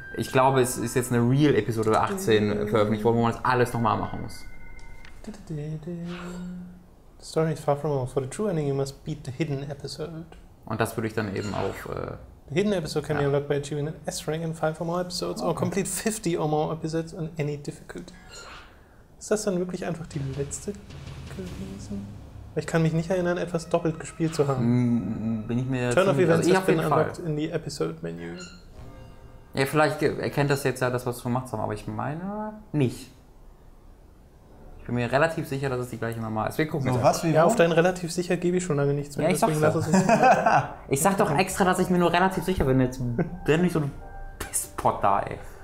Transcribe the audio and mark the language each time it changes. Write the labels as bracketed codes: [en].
[de] Ich glaube, es ist jetzt eine Real-Episode 18 veröffentlicht worden, wo man das alles nochmal machen muss. [en] The story is far from over. For the true ending, you must beat the hidden episode. [de] Und das würde ich dann eben auf... [en] The hidden episode can be unlocked by achieving an S-Rank in 5 or more episodes or complete 50 or more episodes on any difficulty. [de] Ist das dann wirklich einfach die letzte gewesen? Ich kann mich nicht erinnern, etwas doppelt gespielt zu haben. Bin ich mir... [en] Turn off events have been unlocked in the episode menu. [de] Ja, vielleicht erkennt das jetzt ja das, was wir gemacht haben, aber ich meine nicht. Ich bin mir relativ sicher, dass es die gleiche Nummer ist. Wir gucken so, was, ja, auf deinen relativ sicher gebe ich schon lange nichts mehr. Ja, ich sag doch extra, dass ich mir nur relativ sicher bin. Jetzt bin ich so ein Pisspot da, ey.